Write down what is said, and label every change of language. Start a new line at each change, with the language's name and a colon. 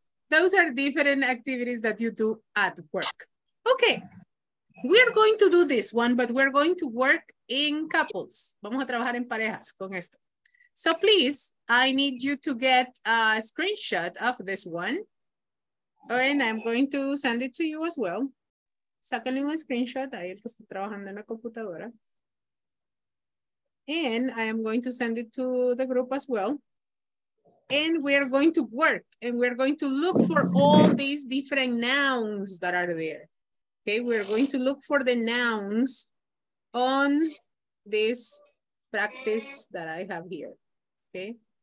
English: Those are different activities that you do at work. Okay. We are going to do this one, but we're going to work in couples.
Spanish: Vamos a trabajar en parejas con esto.
English: So please, I need you to get a screenshot of this one. And I'm going to send it to you as well.
Spanish: Sácale un screenshot ahí el que está trabajando en la computadora.
English: And I am going to send it to the group as well. And we are going to work and we are going to look for all these different nouns that are there. Okay, we are going to look for the nouns on this practice that I have here. Okay.